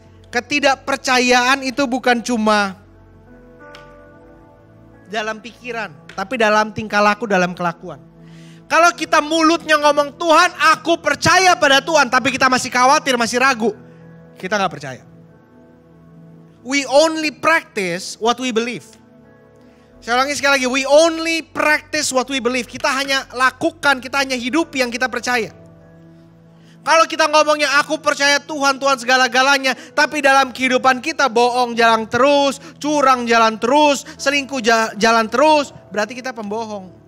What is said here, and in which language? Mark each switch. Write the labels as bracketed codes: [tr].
[id] ketidakpercayaan itu bukan cuma dalam pikiran, tapi dalam tingkah laku, dalam kelakuan. Kalau kita mulutnya ngomong, Tuhan aku percaya pada Tuhan, tapi kita masih khawatir, masih ragu, kita gak percaya. [en] We only practice what we believe. [id] Saya ulangi sekali lagi, [en] we only practice what we believe. [id] Kita hanya lakukan, kita hanya hidup yang kita percaya. Kalau kita ngomongnya, aku percaya Tuhan, Tuhan segala-galanya, tapi dalam kehidupan kita bohong jalan terus, curang jalan terus, selingkuh jalan terus, berarti kita pembohong.